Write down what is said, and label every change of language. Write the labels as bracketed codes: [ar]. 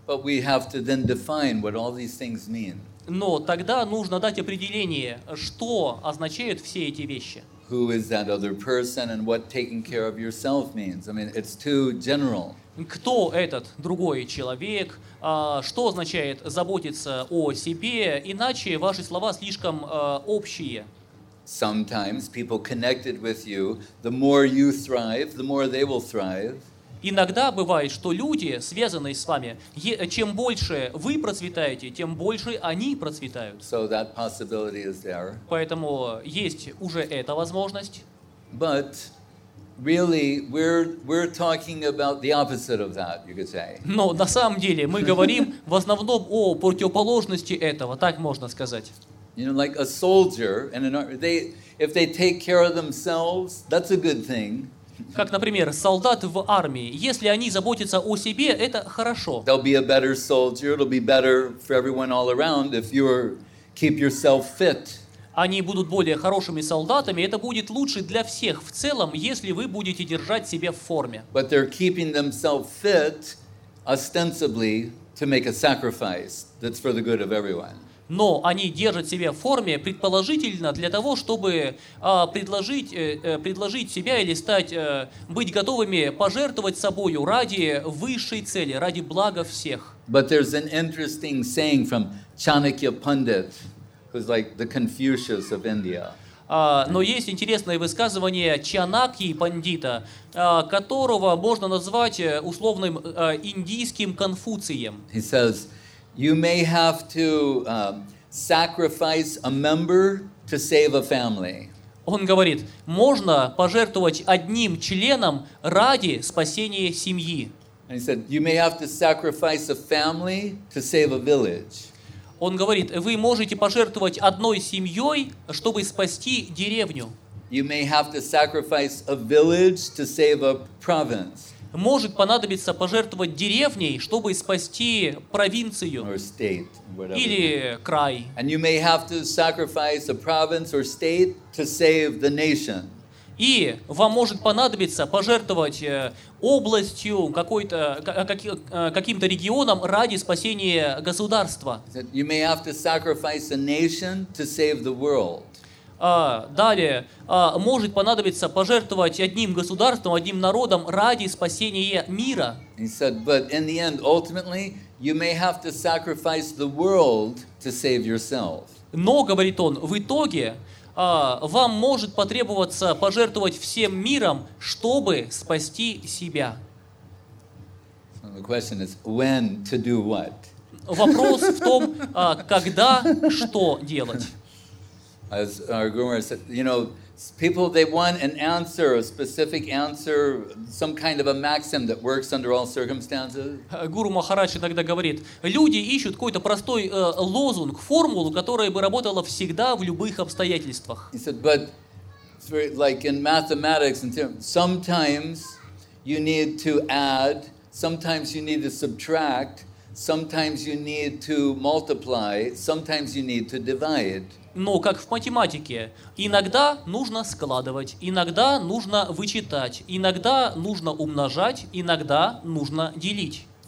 [en] But we have to then define what all these things mean. [ru] Но тогда нужно дать определение, что означают все эти вещи. [en] Who is that other person and what taking care of yourself means? I mean, it's too general. [ru] Кто этот другой человек? Что означает заботиться о себе? Иначе ваши слова слишком общие. [en] Sometimes people connected with you, the more you thrive, the more they will thrive. [ru] Иногда бывает, что люди, связанные с вами, чем больше вы процветаете, тем больше они процветают. [en] So that possibility is there. [ru] Поэтому есть уже эта возможность. [en] But really, we're talking about the opposite of that, you could say. [ru] Но на самом деле мы говорим в основном о противоположности этого, так можно сказать. [en] You know, like a soldier in an army, if they take care of themselves, that's a good thing. [ru] Как, например, солдат в армии. Если они заботятся о себе, это хорошо. [en] They'll be a better soldier. It'll be better for everyone all around if you keep yourself fit. [ru] Они будут более хорошими солдатами. Это будет лучше для всех в целом, если вы будете держать себя в форме. [en] But they're keeping themselves fit ostensibly to make a sacrifice that's for the good of everyone. [ru] Но они держат себя в форме, предположительно, для того, чтобы предложить себя или быть готовыми пожертвовать собою ради высшей цели, ради блага всех. [en] But there's an interesting saying from Chanakya Pandit, who's like the Confucius of India. [ru] Но есть интересное высказывание Чанакьи Пандита, которого можно назвать условным индийским Конфуцием. [en] He says, you may have to sacrifice a member to save a family. [ru] Он говорит, можно пожертвовать одним членом ради спасения семьи. [en] And he said, you may have to sacrifice a family to save a village. [ru] Он говорит, вы можете пожертвовать одной семьей, чтобы спасти деревню. [en] You may have to sacrifice a village to save a province. [ru] Может понадобиться пожертвовать деревней, чтобы спасти провинцию [en] state, [ru] или край. [en] And you may have to sacrifice a province or state to save the nation. [ru] И вам может понадобиться пожертвовать областью, каким-то регионом ради спасения государства. [en] You may have to sacrifice a nation to save the world. [ru] Далее, может понадобиться пожертвовать одним государством, одним народом ради спасения мира. [en] He said, but in the end, ultimately, you may have to sacrifice the world to save yourself. [ru] Но, говорит он, в итоге, вам может потребоваться пожертвовать всем миром, чтобы спасти себя. [en] So the question is, when to do what? [ru] Вопрос в том, когда что делать. [en] As our guru said, you know, people, they want an answer, a specific answer, some kind of a maxim that works under all circumstances. [ru] Гуру Махарадж иногда говорит, люди ищут какой-то простой лозунг, формулу, которая бы работала всегда в любых обстоятельствах. [en] He said, but like in mathematics, sometimes you need to add, sometimes you need to subtract, sometimes you need to multiply, sometimes you need to divide. [ru] Но как в математике, иногда нужно складывать, иногда нужно вычитать, иногда нужно умножать, иногда нужно делить.